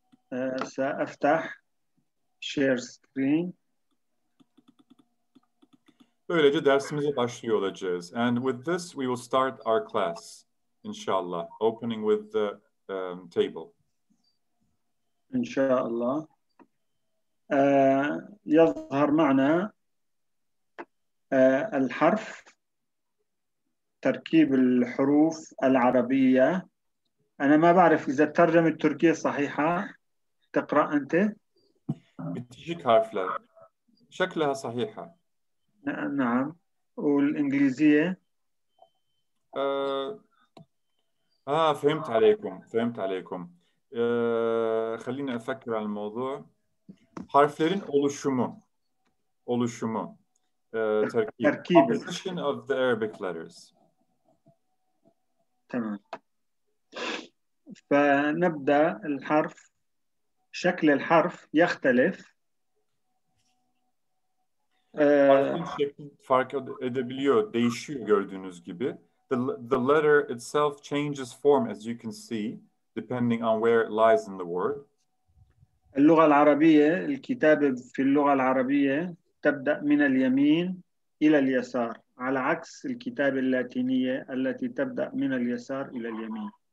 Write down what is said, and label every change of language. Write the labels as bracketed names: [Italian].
[Arabic] سأفتح [English] share screen. [Turkish] Böylece dersimize başlıyor olacağız. [English] And with this we will start our class, inshallah, opening with the table. [Turkish] İnşallah. [Arabic] يظهر معنا الحرف تركيب الحروف العربية أنا ما بعرف إذا الترجمة التركية صحيحة. تقرأ أنت؟ بتجيك هارفلر شكلها صحيحة. نعم. والإنجليزية؟ فهمت عليكم، فهمت عليكم. خليني أفكر على الموضوع. [Turkish] Harflerin oluşumu, oluşumu, terkibi. Terkibi. [English] Composition of the Arabic letters. [Arabic] Tamam. فنبدأ الحرف. شكل الحرف يختلف. [Turkish] Harfin şekli fark edebiliyor, değişiyor gördüğünüz gibi. [English] The letter itself changes form as you can see, depending on where it lies in the word. [Arabic] اللغة العربية الكتابة في اللغة العربية تبدأ من اليمين إلى اليسار على عكس الكتابة اللاتينية التي تبدأ من اليسار إلى اليمين.